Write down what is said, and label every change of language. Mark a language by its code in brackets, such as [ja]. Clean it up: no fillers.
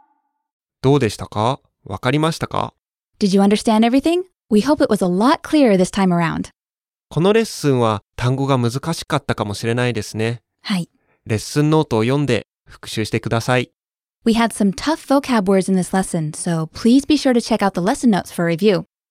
[ja] 急いで高台に逃げてください。津波の高さは2メートルです。どうでしたか？わかりましたか？ [en] Did you understand everything? We hope it was a lot clearer this time around. [ja] このレッスンは単語が難しかったかもしれないですね。はい。レッスンノートを読んで復習してください。 [en] We had some tough vocab words in this lesson, so please be sure to check out the lesson notes for review.